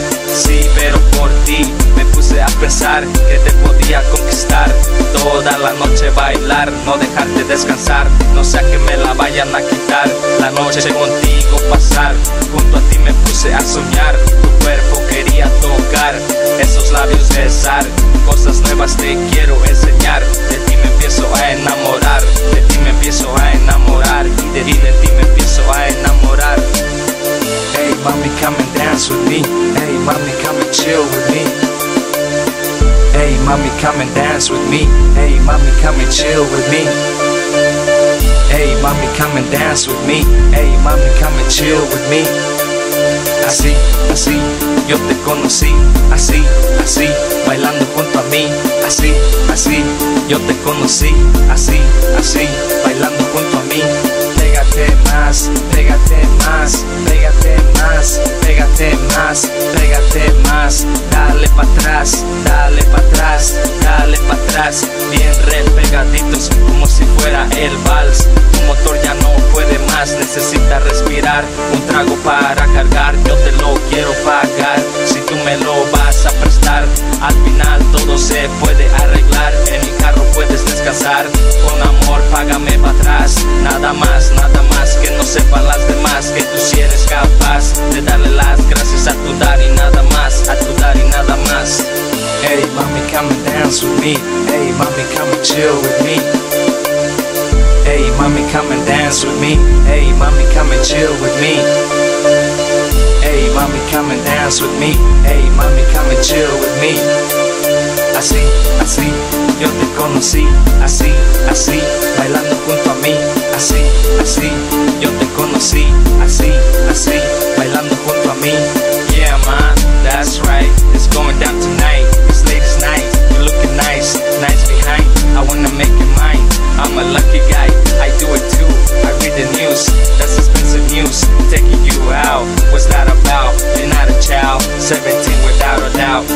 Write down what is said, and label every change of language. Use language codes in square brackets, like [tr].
[es] sí, pero por ti me puse a pensar que te podía conquistar, toda la noche bailar, no dejarte descansar, no sea que me la vayan a quitar, la noche contigo pasar, junto a ti me puse a soñar, tu cuerpo quería tocar, esos labios besar, cosas nuevas te quiero enseñar, de ti me empiezo a enamorar, de ti me empiezo a enamorar, de ti me empiezo a enamorar. [en] Hey mami, come and dance with me. Hey mami, come and chill with me. Hey mami, come and dance with me. Hey mami, come and chill with me. Hey mami, come and dance with me. Hey mami, come and chill with me. [es] Así, así, yo te conocí. Así, así, bailando junto a mí. Así, así, yo te conocí. Así, así, bailando junto a mí. Pégate más, pégate más, pégate más, pégate más, pégate más. Dale pa' atrás, dale pa' atrás, dale pa' atrás. Bien repegaditos como si fuera el vals. Tu motor ya no puede más, necesita respirar. Un trago para cargar, yo te lo quiero pagar. Si tú me lo vas a prestar, al final todo se puede arreglar. En mi carro puedes descansar, con amor págame pa' atrás. Nada más, que no sepan las demás que tú sí eres capaz de darle las gracias a tu daddy, nada más, a tu daddy, nada más. [en] Hey mami, come and dance with me. Hey mami, come and chill with me. Hey mami, come and dance with me. Hey mami, come and chill with me. Hey mami, come and dance with me. Hey mami, come and chill with me. [es] Así, así, yo te conocí. Así, así, bailando junto a mí. Así, así, yo te conocí. Así, así, bailando junto a mí. [en] Yeah man, that's right. It's going down tonight. It's ladies night. You're looking nice, nice behind. I wanna make you mine. I'm a lucky guy, I do it too. I read the news, that's expensive news. Taking you out, what's that about? You're not a child, 17 without a doubt.